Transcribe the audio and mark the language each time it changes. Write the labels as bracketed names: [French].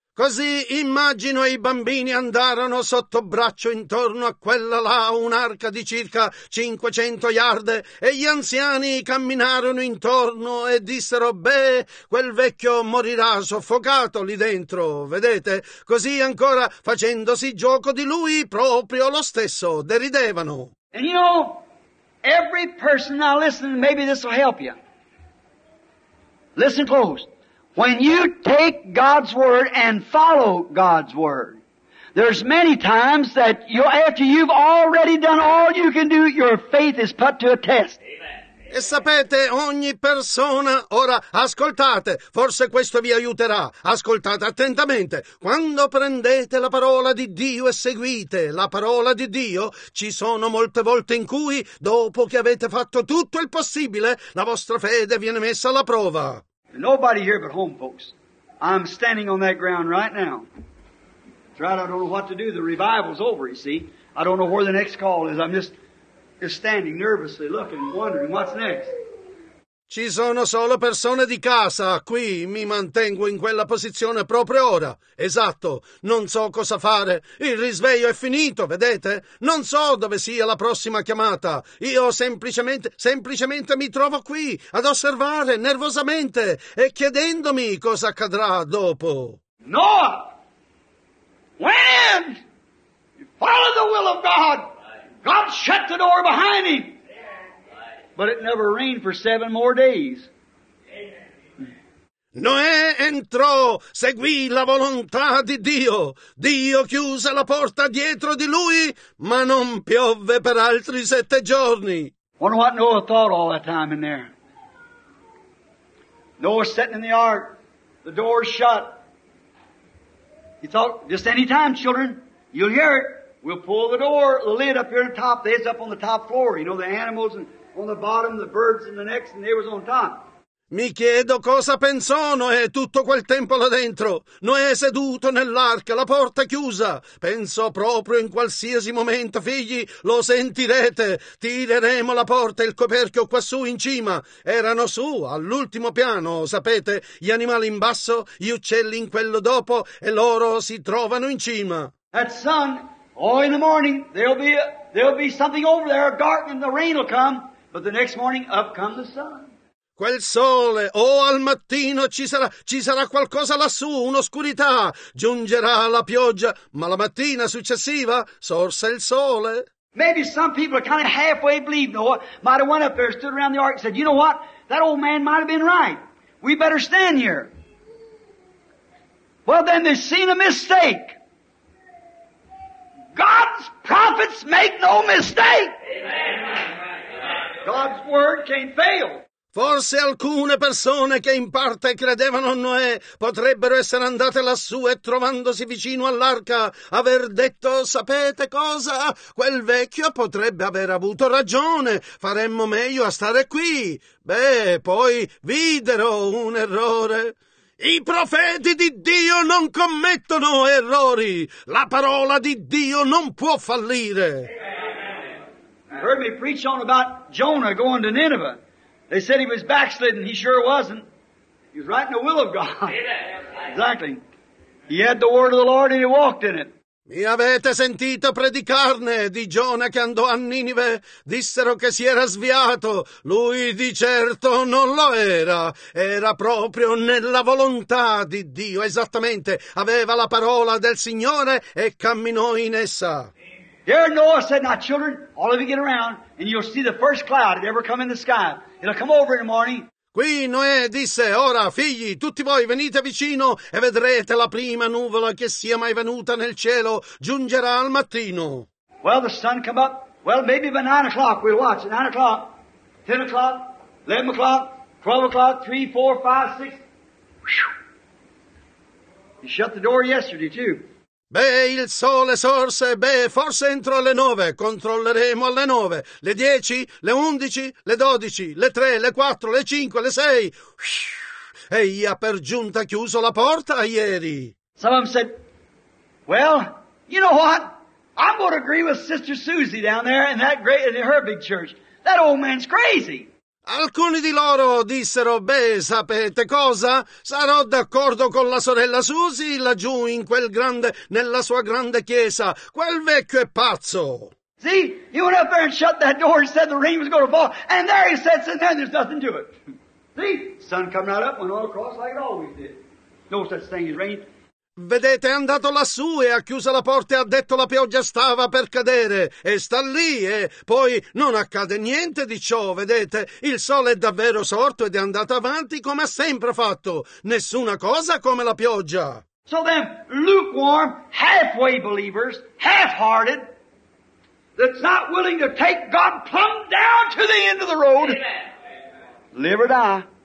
[Italian] Così immagino i bambini andarono sotto braccio intorno a quella là, un'arca di circa 500 yard, e gli anziani camminarono intorno e dissero, beh, quel vecchio morirà soffocato lì dentro, vedete? Così ancora facendosi gioco di lui, proprio lo stesso, deridevano. [English] And you know, every person, now listen, maybe this will help you. Listen close. When you take God's word and follow God's word, there's many times that after you've already done all you can do, your faith is put to a test. [Italian] E sapete, ogni persona, ora ascoltate, forse questo vi aiuterà, ascoltate attentamente. Quando prendete la parola di Dio e seguite la parola di Dio, ci sono molte volte in cui, dopo che avete fatto tutto il possibile, la vostra fede viene messa alla prova. [English] Nobody here but home, folks. I'm standing on that ground right now. Right, I don't know what to do. The revival's over, you see. I don't know where the next call is. I'm just standing nervously looking, wondering what's next. [Italian] Ci sono solo persone di casa qui, mi mantengo in quella posizione proprio ora. Esatto, non so cosa fare. Il risveglio è finito, vedete? Non so dove sia la prossima chiamata. Io semplicemente mi trovo qui ad osservare nervosamente e chiedendomi cosa accadrà dopo. [English] Noah! When? You follow the will of God. God shut the door behind him. But it never rained for seven more days. Amen. [Italian] Noè entrò, seguì la volontà di Dio. Dio chiuse la porta dietro di lui, ma non piovve per altri 7 giorni. [English] Wonder what Noah thought all that time in there. Noah sitting in the ark, the door shut. He thought, just any time, children, you'll hear it. We'll pull the door, the lid up here on the top. They's up on the top floor. You know, the animals and on the bottom, the birds and the next, and they was on top. [Italian] Mi chiedo cosa pensò Noè tutto quel tempo là dentro. Noè seduto nell'arca, la porta chiusa. Pensò proprio in qualsiasi momento, figli, lo sentirete. Tireremo la porta e il coperchio quassù in cima. Erano su, all'ultimo piano, sapete, gli animali in basso, gli uccelli in quello dopo, e loro si trovano in cima. [English] At sun, or in the morning, there'll be something over there, dark, and the rain will come, but the next morning up come the sun. [Italian] Quel sole, al mattino ci sarà qualcosa lassù, un'oscurità, giungerà la pioggia, ma la mattina successiva sorse il sole. [English] Maybe some people kind of halfway believed Noah, might have went up there, stood around the ark and said, you know what, that old man might have been right, we better stand here. Well then they've seen a mistake. God's prophets make no mistake. God's word can't fail. [Italian] Forse alcune persone che in parte credevano a Noè potrebbero essere andate lassù e trovandosi vicino all'arca aver detto, sapete cosa? Quel vecchio potrebbe aver avuto ragione, faremmo meglio a stare qui. Beh, poi videro un errore. I profeti di Dio non commettono errori. La parola di Dio non può fallire. [English] Heard me preach on about Jonah going to Nineveh. They said he was backslidden. He sure wasn't. He was right in the will of God. Exactly. He had the word of the Lord and he walked in it. [Italian] Mi avete sentito predicarne di Giona che andò a Ninive? Dissero che si era sviato. Lui di certo non lo era. Era proprio nella volontà di Dio. Esattamente. Aveva la parola del Signore e camminò in essa. [English] There Noah said, now children, all of you get around and you'll see the first cloud that ever come in the sky. It'll come over in the morning. [Italian] Qui Noè disse, ora figli, tutti voi venite vicino e vedrete la prima nuvola che sia mai venuta nel cielo, giungerà al mattino. [English] Well, the sun come up. Well, maybe by 9 o'clock we'll watch. 9 o'clock, 10 o'clock, 11 o'clock, 12 o'clock, 3, 4, 5, 6. Whew. You shut the door yesterday too. [Italian] Beh, il sole sorse, beh, forse entro le 9, controlleremo alle 9, le 10, le 11, le 12, le 3, le 4, le 5, le 6. E io ha per giunta chiuso la porta ieri. [English] Some of them said, well, you know what? I'm going to agree with Sister Susie down there in that great, in her big church. That old man's crazy. [Italian] Alcuni di loro dissero, beh, sapete cosa? Sarò d'accordo con la sorella Susie laggiù in quel grande, nella sua grande chiesa. Quel vecchio è pazzo. [English] See, he went up there and shut that door and said the rain was going to fall. And there he said, since then there's nothing to it. See, sun coming out up, went all across like it always did. No such thing as rain. [Italian] Vedete, è andato lassù e ha chiuso la porta e ha detto la pioggia stava per cadere e sta lì e poi non accade niente di ciò, vedete, il sole è davvero sorto ed è andato avanti come ha sempre fatto, nessuna cosa come la pioggia. [English] So then, lukewarm, halfway believers, half-hearted, that's not willing to take God plumb down to the end of the road, live or die.